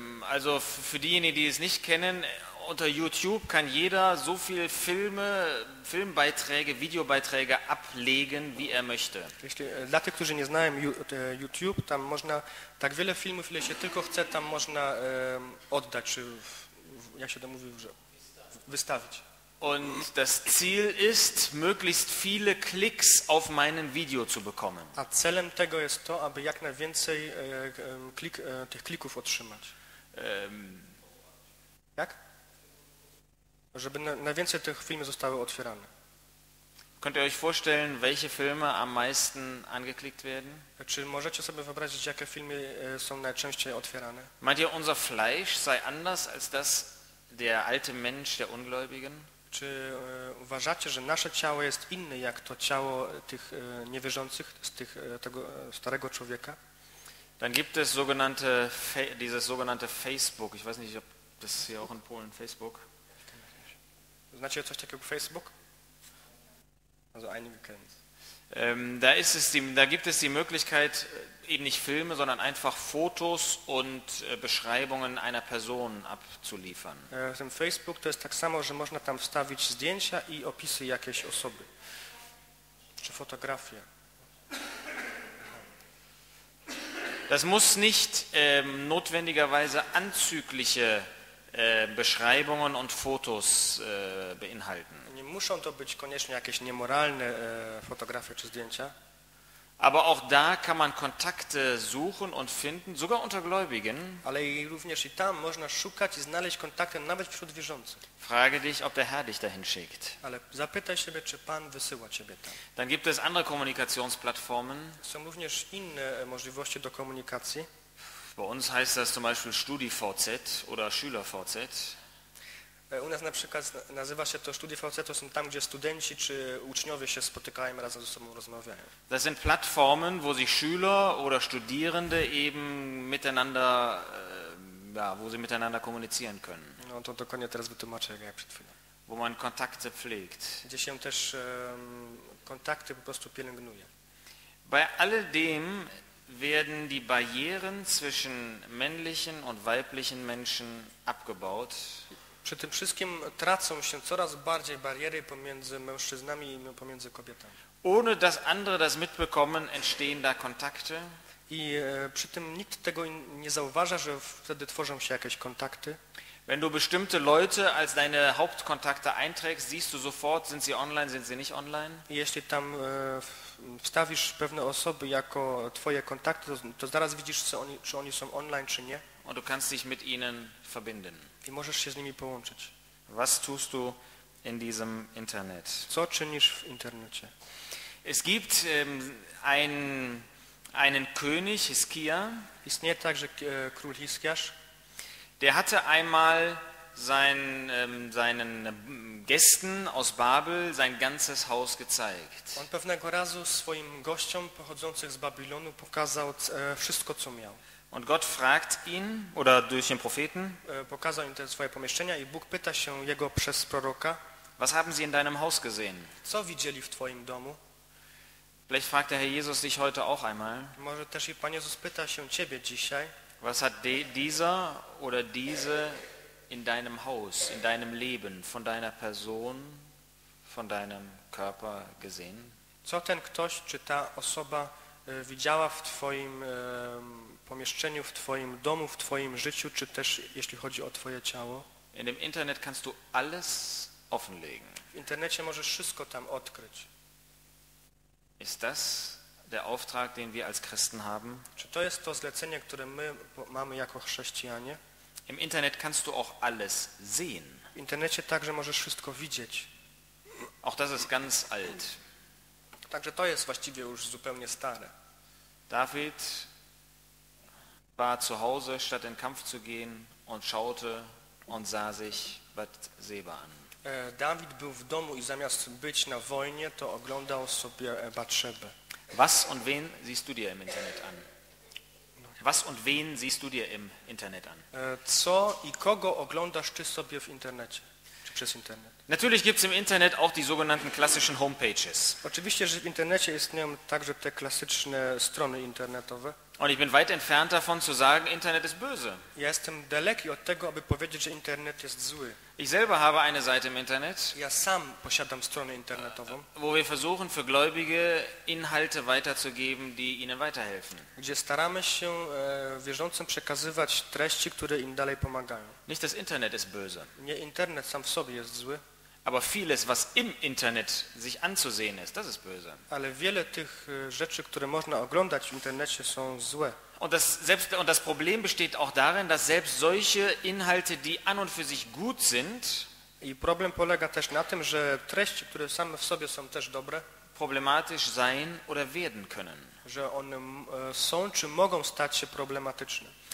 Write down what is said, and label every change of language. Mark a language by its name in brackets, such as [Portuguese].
[German] Also für diejenigen, die es nicht kennen, unter YouTube kann jeder so viele Filme, Filmbeiträge, Videobeiträge ablegen, wie er möchte. [Polish] Dla tych, którzy nie znają YouTube, tam można tak wiele filmów, ile się tylko chce, tam można oddać, czy jak się to mówi, wystawić. [German] Und das Ziel ist, möglichst viele Klicks auf meinen Video zu bekommen. [Polish] A celem tego jest to, aby jak najwięcej tych klików otrzymać. Jak? Żeby najwięcej tych filmów zostały otwierane. [German] Könnt ihr euch vorstellen, welche Filme am meisten angeklickt werden? [Polish] Czy możecie sobie wyobrazić, jakie filmy są najczęściej otwierane? [German] Meint ihr, unser Fleisch sei anders als das der alte Mensch der Ungläubigen? [Polish] Czy uważacie, że nasze ciało jest inne jak to ciało tych niewierzących z tych, tego starego człowieka? [German] Dann gibt es sogenannte dieses sogenannte Facebook. Ich weiß nicht, ob das hier auch in Polen Facebook. [Polish] Znacie coś takiego Facebook? [German] Also einige kennen es. Da ist es die, da gibt es die Möglichkeit eben nicht Filme, sondern einfach Fotos und Beschreibungen einer Person abzuliefern. [Polish] Im Facebook to jest tak samo, że można tam wstawić zdjęcia i opisy jakiejś osoby. Czy fotografie. [German] Das muss nicht notwendigerweise anzügliche Beschreibungen und Fotos beinhalten. [Polish] Nie muszą to być koniecznie jakieś niemoralne fotografie czy zdjęcia. [German] Aber auch da kann man Kontakte suchen und finden, sogar unter Gläubigen. [Polish] Ale i również i tam można szukać i znaleźć kontakty nawet wśród wierzących. [German] Frage dich, ob der Herr dich dahin schickt. [Polish] Ale zapytaj siebie, czy Pan wysyła ciebie tam. [German] Dann gibt es andere Kommunikationsplattformen. [Polish] Są również inne możliwości do komunikacji. [German] Bei uns heißt das zum Beispiel StudiVZ oder SchülerVZ. [Polish] U nas na przykład nazywa się to StudiVZ, to są tam, gdzie studenci czy uczniowie się spotykają i razem ze sobą rozmawiają. [German] Das sind Plattformen, wo sich Schüler oder Studierende eben miteinander, ja, wo sie miteinander kommunizieren können. [Polish] No to dokładnie teraz wytłumaczę, jak ja przed chwilą. [German] Wo man Kontakte pflegt. [Polish] Gdzie się też kontakty po prostu pielęgnuje. [German] Bei alledem werden die Barrieren zwischen männlichen und weiblichen Menschen abgebaut. [Polish] Przy tym wszystkim tracą się coraz bardziej bariery pomiędzy mężczyznami i pomiędzy kobietami. [German] Ohne dass andere das mitbekommen, entstehen da Kontakte. [Polish] I przy tym nikt tego nie zauważa, że wtedy tworzą się jakieś kontakty. [German] Wenn du bestimmte Leute als deine Hauptkontakte einträgst, siehst du sofort, sind sie online, sind sie nicht online. [Polish] Jeśli tam wstawisz pewne osoby jako twoje kontakty, to zaraz widzisz, czy oni są online, czy nie. [German] Und du kannst dich mit ihnen verbinden. [Polish] I możesz się z nimi połączyć. [German] Was tust du in diesem Internet? [Polish] Co czynisz w internecie? [German] Es gibt einen König, Hiskia. [Polish] Istnieje także król Hiskiasz. [German] Der hatte einmal seinen Gästen aus Babel sein ganzes Haus gezeigt. [Polish] On pewnego razu swoim gościom pochodzących z Babilonu pokazał wszystko, co miał. [German] Und Gott fragt ihn, oder durch den Propheten, [Polish] pokazał im te swoje pomieszczenia i Bóg pyta się jego przez proroka, [German] was haben Sie in deinem Haus gesehen? [Polish] Co widzieli w twoim domu? [German] Vielleicht fragt der Herr Jesus dich heute auch einmal. [Polish] Może też i Pan Jezus pyta się ciebie dzisiaj. [German] Was hat dieser oder diese in deinem Haus, in deinem Leben, von deiner Person, von deinem Körper gesehen? [Polish] Co ten ktoś czy ta osoba widziała w twoim pomieszczeniu, w twoim domu, w twoim życiu, czy też jeśli chodzi o twoje ciało? [German] In dem Internet kannst du alles offenlegen. [Polish] W internecie możesz wszystko tam odkryć. [German] Ist das der Auftrag, den wir als Christen haben? [Polish] Czy to jest to zlecenie, które my mamy jako chrześcijanie? [German] Im Internet kannst du auch alles sehen. [Polish] W internecie także możesz wszystko widzieć. [German] Auch das ist ganz alt. [Polish] Także to jest właściwie już zupełnie stare. [German] David war zu Hause, statt in Kampf zu gehen, und schaute und sah sich Batseba an. [Polish] David był w domu i zamiast być na wojnie, to oglądał sobie Batszebę. [German] Was und wen siehst du dir im Internet an? Was und wen siehst du dir im Internet an? [Polish] Co i kogo oglądasz ty sobie w internecie? Czy przez internet? [German] Natürlich gibt's im Internet auch die sogenannten klassischen Homepages. [Polish] Oczywiście, że w internecie istnieją także te klasyczne strony internetowe. [German] Und ich bin weit entfernt davon zu sagen, Internet ist böse. [Polish] Ja jestem daleki od tego, aby powiedzieć, że Internet jest zły. [German] Ich selber habe eine Seite im Internet. [Polish] Ja sam posiadam stronę internetową. [German] Wo wir versuchen, für Gläubige Inhalte weiterzugeben, die ihnen weiterhelfen. [Polish] Gdzie staramy się wierzącym przekazywać treści, które im dalej pomagają. [German] Nicht das Internet ist böse. [Polish] Nie Internet sam w sobie jest zły. [German] Aber vieles, was im Internet sich anzusehen ist, das ist böse. [Polish] Ale wiele tych rzeczy, które można oglądać w internecie, są złe. [German] Und das Problem besteht auch darin, dass selbst solche Inhalte, die an und für sich gut sind, [Polish] i problem polega też na tym, że treści, które same w sobie są też dobre, [German] problematisch sein oder werden können. [Polish] Że one są czy mogą stać się problematyczne.